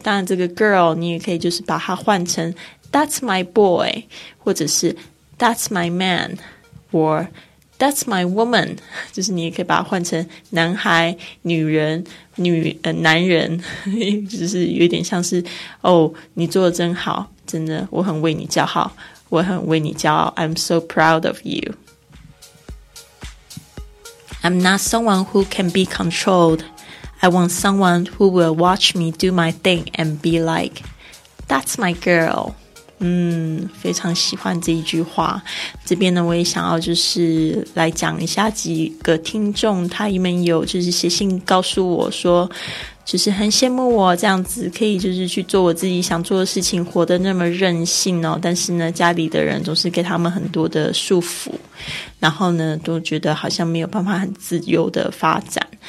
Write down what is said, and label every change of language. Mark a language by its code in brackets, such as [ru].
[zh] 当然这个 girl 你也可以就是把它换成 [en] That's my boy, [zh] 或者是 [en] That's my man, or That's my woman, [zh] 就是你也可以把它换成男孩、女人、男人，就是有点像是哦，你做得真好，真的我很为你骄傲，我很为你骄傲。 [en] I'm so proud of you. I'm not someone who can be controlled. I want someone who will watch me do my thing and be like, that's my girl. [zh] 非常喜欢这一句话。这边呢，我也想要就是来讲一下几个听众，他们有就是写信告诉我说，就是很羡慕我这样子可以就是去做我自己想做的事情，活得那么任性哦，但是呢家里的人总是给他们很多的束缚，然后呢都觉得好像没有办法很自由的发展。